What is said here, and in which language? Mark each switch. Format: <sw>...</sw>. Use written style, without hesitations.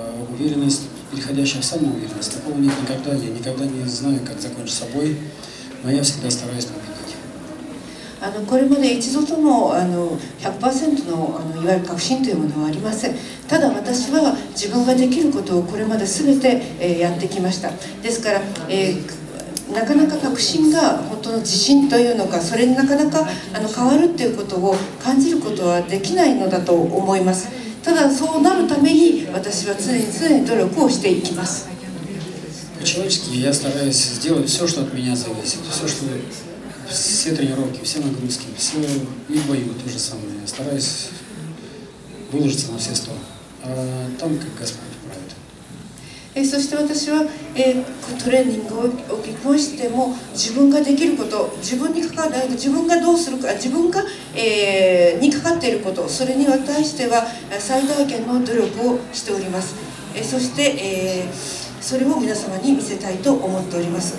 <ru>Уверенность, переходящая в самоуверенность, такого нет никогда. Я никогда не знаю, как закончится бой, но я всегда стараюсь победить.</ru> <ja>これまで一度とも 100% の, いわゆる確信というものはありません。ただ私は自分ができることをこれまで全て、やってきました。ですから、なかなか確信が本当の自信というのかそれになかなか変わるっていうことを感じることはできないのだと思います。ただそうなるために私は常に常に努力をしていきます。</ja> <ru>человечески я стараюсь сделать все, что от меня зависит, все, что все тренировки, все нагрузки, все и бои то же самое. Я стараюсь выложиться на все 100. А там как Господь управляет.</ru> <ja>そして私はトレーニングを利用しても自分ができること自分にかかる自分がどうするか自分が、にかかっていることそれに対しては最大限の努力をしております。そして、それを皆様に見せたいと思っております。</ja>